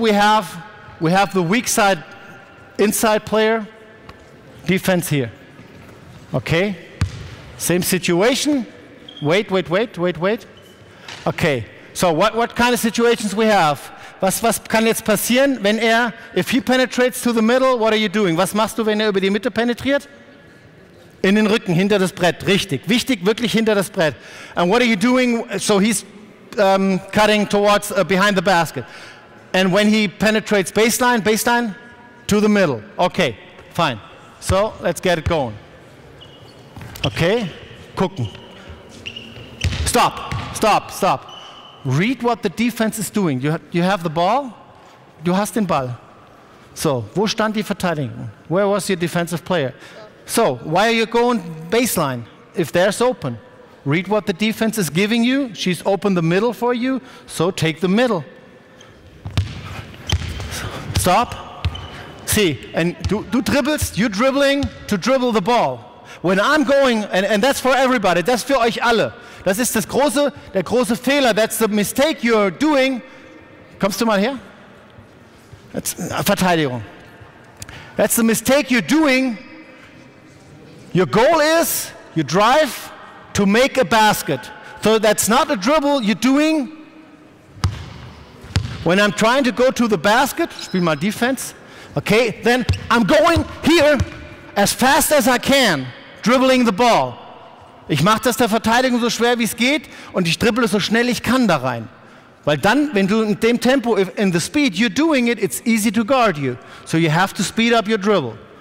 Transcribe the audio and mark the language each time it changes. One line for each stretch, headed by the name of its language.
English: We have the weak side inside player. Defense here. Okay. Same situation. Wait. Okay. So what kind of situations we have?
German: Was kann jetzt passieren, wenn er,
English: if he penetrates to the middle, what are you doing?
German: Was machst du, wenn er über die Mitte penetriert? In den Rücken, hinter das Brett, richtig. Wichtig, wirklich hinter das Brett.
English: And what are you doing, so he's cutting towards, behind the basket. And when he penetrates baseline, to the middle. Okay, fine. So, let's get it going. Okay, gucken. Stop. Read what the defense is doing. You have the ball.
German: Du hast den Ball. So, wo stand die Verteidigung?
English: Where was your defensive player? So, why are you going baseline if there's open? Read what the defense is giving you. She's opened the middle for you. So, take the middle. Stop. See, and
German: du dribbelst,
English: you're dribbling to dribble the ball. When I'm going, and that's for everybody, that's
German: für euch alle. Das ist das große, der große Fehler.
English: That's the mistake you're doing.
German: Kommst du mal her?
English: That's, Verteidigung. That's the mistake you're doing. Your goal is, you drive to make a basket. So that's not a dribble you're doing. When I'm trying to go to the basket,
German: spiel mal defense.
English: Okay, then I'm going here as fast as I can, dribbling the ball.
German: Ich mache das der Verteidigung so schwer, wie es geht und ich dribble so schnell ich kann da rein. Weil dann, wenn du in dem Tempo,
English: in the speed you're doing it, it's easy to guard you. So you have to speed up your dribble.